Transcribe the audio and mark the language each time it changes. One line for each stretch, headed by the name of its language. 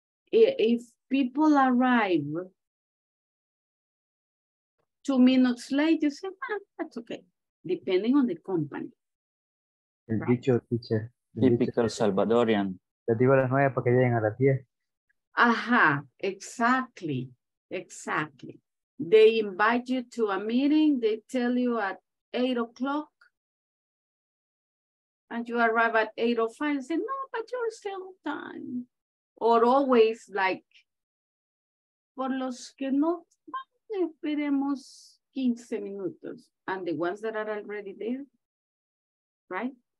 English: If people arrive 2 minutes late, you say, ah, that's okay, depending on the company.
Spanish: El dicho,
English: teacher.
Spanish: Típico El Salvadorian. Te digo a las 9 para que lleguen a las 10. Ajá, exactly.
English: They invite you to a meeting, they tell you at 8 o'clock, and you arrive at 8:05 and say, no, but you're still on time. Or always like,
Spanish: por los que no, esperemos 15 minutos,
English: and the ones that are already there, right?